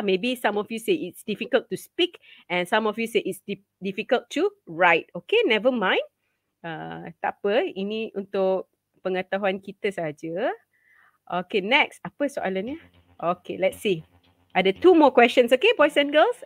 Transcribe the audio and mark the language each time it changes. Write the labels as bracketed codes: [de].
[en] Maybe some of you say it's difficult to speak. And some of you say it's difficult to write. Okay, never mind. [ms] Tak apa. Ini untuk pengetahuan kita saja. [en] Okay, next. [ms] Apa soalannya? [en] Okay, let's see. Ada two more questions, okay, boys and girls?